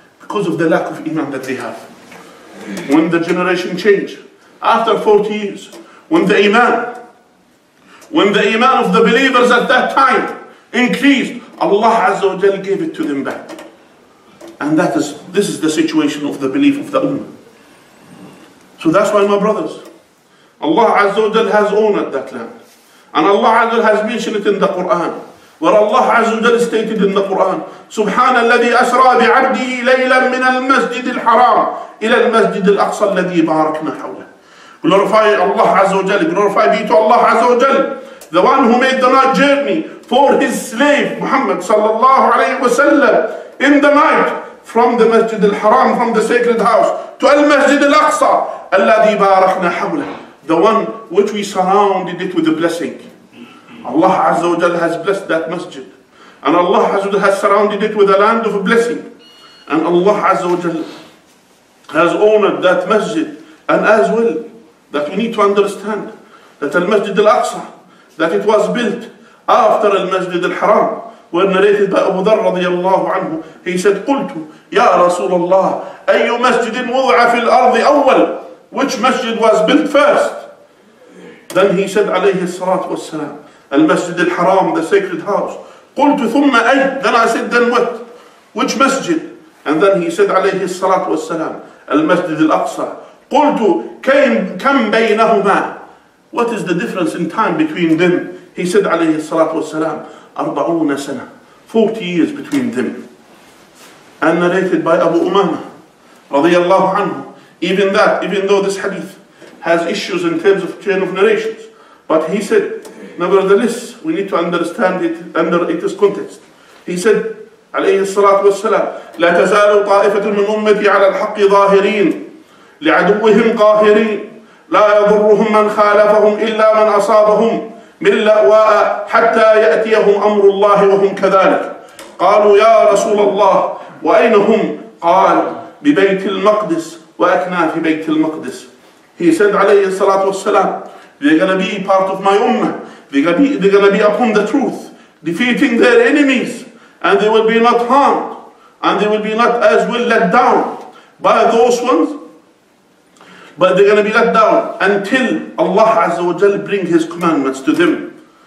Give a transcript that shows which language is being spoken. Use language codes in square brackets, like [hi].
[en] Because of the lack of iman that they have. When the generation changed, after 40 years, when the iman of the believers at that time increased, Allah Azza wa Jal gave it to them back. And this is the situation of the belief of the ummah. So that's why, my brothers, Allah Azza wa Jal has honored that land. And Allah Azza wa Jal has mentioned it in the Quran. Where Allah Azza wa Jal stated in the Quran, [ar] سُبْحَانَ الَّذِي أَسْرَى بِعَبْدِهِ لَيْلًا مِنَ الْمَسْجِدِ الْحَرَامِ إِلَى الْمَسْجِدِ الْأَقْصَى الَّذِي بَارَكْنَا حَوْلَهِ. [en] Glorify Allah Azza wa Jal. Glorify be to Allah Azza wa Jal, the one who made the night journey for his slave Muhammad sallallahu alayhi wa sallam in the night from the Masjid al-Haram, from the sacred house, to al-Masjid al-Aqsa, alladhi barakna hawla, the one which we surrounded it with a blessing. Allah Azza wa Jal has blessed that masjid. And Allah Azza wa Jal has surrounded it with a land of a blessing. And Allah Azza wa Jal has honored that masjid. And as well, that we need to understand that al-Masjid al-Aqsa, that it was built after al-Masjid al-Haram, were narrated by Abu Dharr radiallahu anhu. [ar] He said, قلت يا رسول الله أي مسجد وضع في الأرض أول. [en] Which masjid was built first? Then he said [ar] عليه الصلاة والسلام المسجد الحرام, [en] the sacred house. [ar] قلت ثم أي. [en] Then I said, then what? Which masjid? And then he said [ar] عليه الصلاة والسلام المسجد الأقصى. قلت كم بينهما. [en] What is the difference in time between them? He said [ar] عليه الصلاة والسلام [en] 40 sana, 40 years between them. And narrated by Abu Umama radiyallahu anhu, even though this hadith has issues in terms of chain of narrations, but he said, nevertheless, we need to understand it under its context. He said, [ar] alayhi salatu wassalam, لا تزال طائفة من أمتي على الحق ظاهرين لعدوهم قاهرين لا يضرهم من خالفهم إلا من أصابهم من لأواء حتى يأتيهم أمر الله وهم كذلك. قالوا يا رسول الله وأين هم؟ قال ببيت المقدس وأكناف بيت المقدس. [en] He said [ar] عليه الصلاة والسلام, [en] they're gonna be part of my ummah, they're gonna be upon the truth, defeating their enemies, and they will be not harmed, and they will be not as well let down by those ones, but they're going to be let down until Allah Azza wa Jal bring His commandments to them.